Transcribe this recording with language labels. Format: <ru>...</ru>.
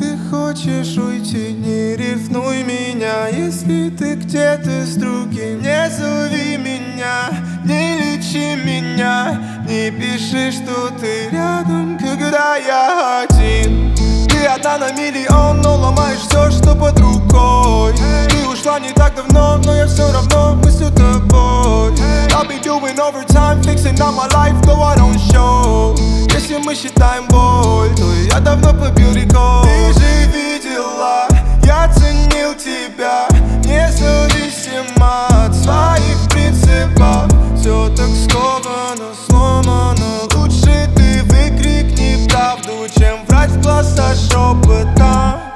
<ru>хочешь уйти, не рифнуй меня. Если ты где-то с другим, не зови меня, не лечи меня, не пиши, что ты рядом, когда я один. Ты одна на миллион, но ломаешь все, что под рукой. Ты ушла не так давно, но я все равно мыслю тобой.</ru> <en>I'll be doing overtime, fixing up my life, though I don't show.</en> <ru>Если мы считаем боль, то я давно побил рекорд. Ты же видела, я ценил тебя, независимо от своих принципов. Все так сковано, сломано. Лучше ты выкрикни правду, чем врать в глаза шепота.</ru>